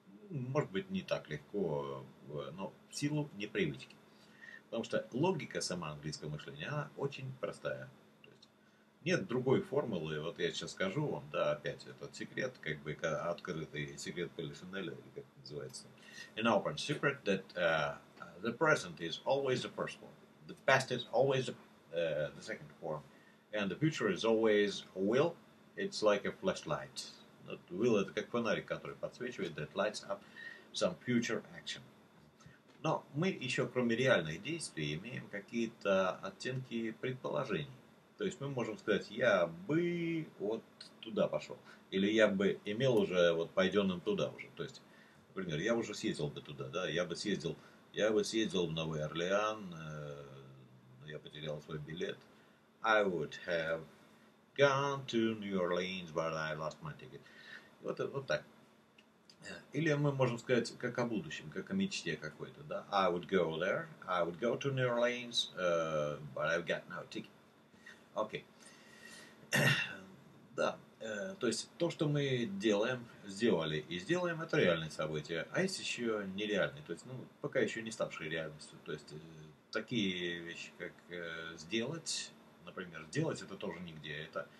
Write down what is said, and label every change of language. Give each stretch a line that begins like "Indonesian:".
Russian: Может быть, не так легко, но в силу непривычки. Потому что логика сама английского мышления, она очень простая. То есть нет другой формулы, вот я сейчас скажу вам, да, опять этот секрет, как бы открытый секрет Полишинеля, или как называется.
English: An open secret that the present is always the first form. The past is always the second form. And the future is always will. It's like a flashlight. Not will —
Russian: это как фонарик, который подсвечивает,
English: that lights up some future action.
Russian: Но мы еще, кроме реальных действий, имеем какие-то оттенки предположений. То есть мы можем сказать, я бы вот туда пошел. Или я бы имел уже вот пойденным туда уже. То есть, например, я уже съездил бы туда, да, я бы съездил в Новый Орлеан, я потерял свой билет.
English: I would have gone to New Orleans, but I lost my ticket.
Russian: Вот так. Или мы можем сказать как о будущем, как о мечте какой-то, да?
English: I would go there, I would go to New Orleans, but I've got no ticket. Okay.
Russian: Да, то есть то, что мы делаем, сделали и сделаем, это реальные события. А есть еще нереальные, то есть, ну, пока еще не ставшие реальностью. То есть такие вещи, как сделать, например, сделать — это тоже нигде.